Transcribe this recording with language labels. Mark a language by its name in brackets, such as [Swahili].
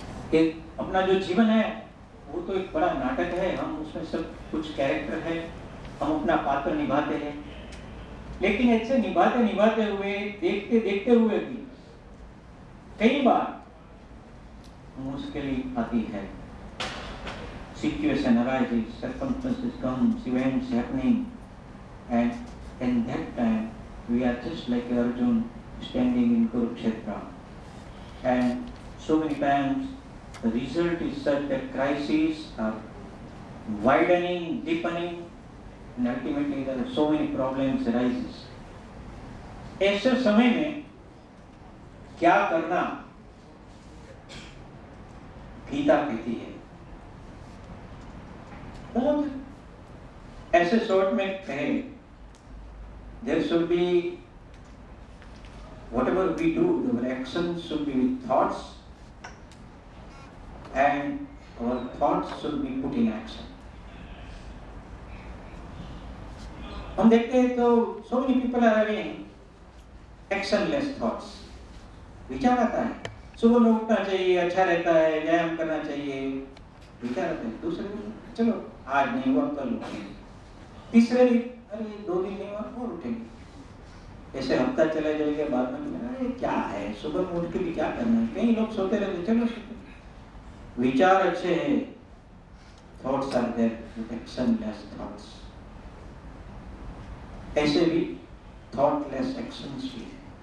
[Hindi] कि अपना जो जीवन है वो तो एक बड़ा नाटक है, हम उसमें सब कुछ कैरेक्टर है, हम अपना पात्र निभाते हैं, लेकिन ऐसे निभाते निभाते हुए, देखते देखते हुए भी कई बार मुश्किलें आती है, [English] situation arises, circumstances come, events happening, and in that time we are just like Arjun standing in Kurukshetra. And so many times the result is such that crises are widening, deepening, and ultimately there are so many problems arises. [Hindi] ऐसे समय में क्या करना गीता कहती है, बहुत ऐसे short में कहे, [English] there should be whatever we do, our actions should be with thoughts and our thoughts should be put in action. [Hindi] हम देखते हैं तो [English] so many people are having actionless thoughts. [Hindi] विचार आता है, सुबह उठना चाहिए, अच्छा रहता है, व्यायाम करना चाहिए, विचार आते हैं, दूसरे दिन चलो आज नहीं हुआ कल उठेंगे, तीसरे दिन अरे दो दिन नहीं हुआ और उठेंगे, ऐसे हफ्ता चला जाएगा, बाद में अरे क्या है सुबह उठ के भी क्या करना है, कई लोग सोते रहते, चलो विचार अच्छे है, [English] thoughts are there with actionless thoughts, [Hindi] ऐसे भी [English] thoughtless actions [Hindi] भी है.